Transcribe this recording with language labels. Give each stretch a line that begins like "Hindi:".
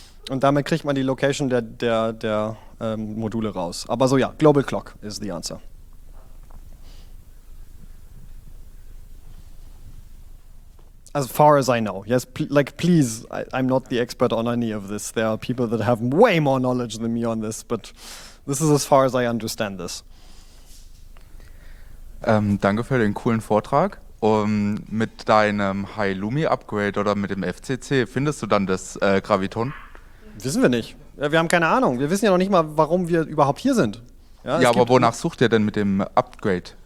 German: Und damit kriegt man die Location der Module raus. Aber so ja,
English: Global Clock is the answer. As far as I know, yes, please, I'm not the expert on any of this. There are people that have way more knowledge than me on this, but this is as far as I understand this.
German: Danke für den coolen Vortrag. Und mit deinem High Lumi Upgrade oder mit dem FCC findest du dann das Graviton? Wissen wir nicht. Ja, wir haben keine Ahnung. Wir wissen ja noch nicht mal, warum wir überhaupt hier sind. Ja, aber wonach sucht ihr denn mit dem Upgrade?